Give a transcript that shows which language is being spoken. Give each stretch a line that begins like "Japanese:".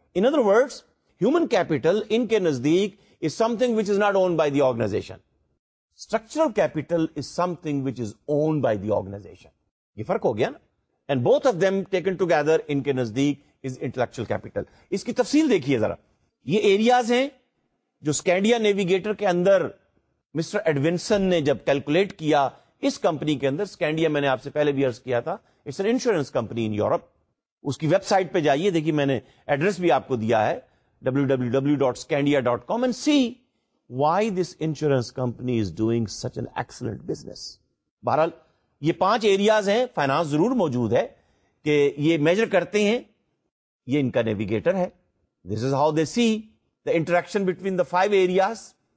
English: in other words, human capital
Urdu: in کے نزدیک
English: Is something which is not owned by the organization, structural capital is something which is owned by the organization.
Urdu: یہ فرق ہو گیا نا,
English: and both of them taken together
Urdu: in کے نزدیک
English: Is intellectual capital.
Urdu: اس کی تفصیل دیکھیے ذرا, یہ ایریاز ہیں جو اسکینڈیا نیویگیٹر کے اندر مسٹر ایڈونسن نے جب کیلکولیٹ کیا اس کمپنی کے اندر. اسکینڈیا میں نے آپ سے پہلے بھی عرض کیا تھا,
English: It's an insurance company in Europe.
Urdu: اس کی ویب سائٹ پہ جائیے, دیکھیے میں نے ایڈریس بھی آپ کو دیا ہے www.scandia.com,
English: and see why this insurance company is doing such an excellent business.
Urdu: بہرحال یہ پانچ ایریاز ہیں, فائنانس ضرور موجود ہے کہ یہ میجر کرتے ہیں, یہ ان کا نیویگیٹر ہے.
English: This is how they see the interaction between the five areas.